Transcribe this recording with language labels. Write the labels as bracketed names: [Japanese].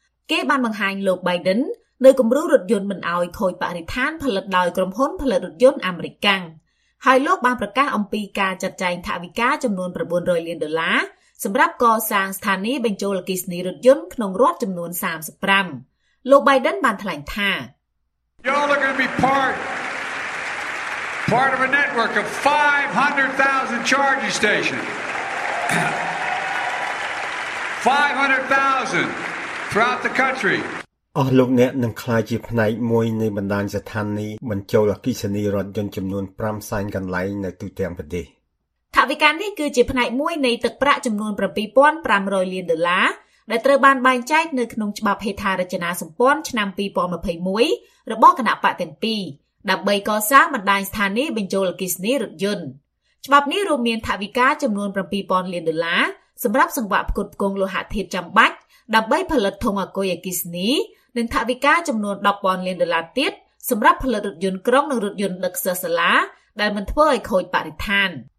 [Khmer] គេបានបង្ហាញលោក Biden នៅគម្រោងរថយន្តមិនឲ្យខូចបរិស្ថានផលិតដោយក្រុមហ៊ុនផលិតរថយន្តអាមេរិកកាំងហើយលោកបានប្រកាសអំពីការចាត់ចែងថវិកាចំនួន$900 លានសម្រាប់កសាងស្ថានីយ៍បញ្ចូលអគ្គិសនីរថយន្តក្នុងរដ្ឋចំនួន35លោក Biden បានថ្លែងថា [English] You're going to be part of a network of 500,000 charging stations 500,000 throughout the country [Khmer] អស់លោកអ្នកនឹងខ្លាចជាផ្នែកមួយនៃបណ្ដាញស្ថានីយ៍បញ្ចូលអគ្គិសនីរថយន្តចំនួន5សែនកន្លែងនៅទូទាំងប្រទេស វិការនេះគឺជាផ្នែកមួយនៃទឹកប្រាក់ចំនួន 7,500 លានដុល្លារដែលត្រូវបានបែងចែកនៅក្នុងច្បាប់ហេដ្ឋារចនាសម្ព័ន្ធឆ្នាំ2021របស់គណៈបកទាំងពីរដើម្បីកសាងបណ្ដាញស្ថានីយ៍បញ្ចូលអគ្គិសនីរថយន្តច្បាប់នេះរួមមានថវិកាចំនួន 7,000 លានដុល្លារសម្រាប់សង្វាក់ផ្គត់ផ្គង់លោហៈធាតុចាំបាច់ដើម្បីផលិតធុងអាគុយអគ្គិសនីនិងថវិកាចំនួន 10,000 លានដុល្លារទៀតសម្រាប់ផលិតរថយន្តក្រុងនិងរថយន្តដឹកសិស្សសាលាដែលមិនធ្វើឲ្យខូចបរិស្ថាន